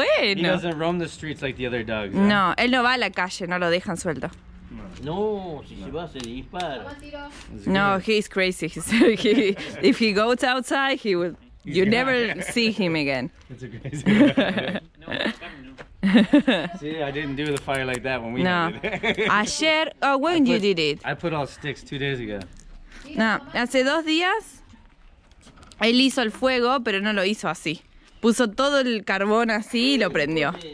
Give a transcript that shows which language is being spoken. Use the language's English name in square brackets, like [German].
[English] He doesn't roam the streets like the other dogs. Huh? [Spanish] No, él no va a la calle, no lo dejan suelto. [English] No, he's crazy. If he goes outside, he will. You never see him again. It's a crazy. See, I didn't do the fire like that when we did it. Ayer, when you did it? I put all sticks 2 days ago. [Spanish] No, hace dos días, él hizo el fuego, pero no lo hizo así. Puso todo el carbón así y lo prendió.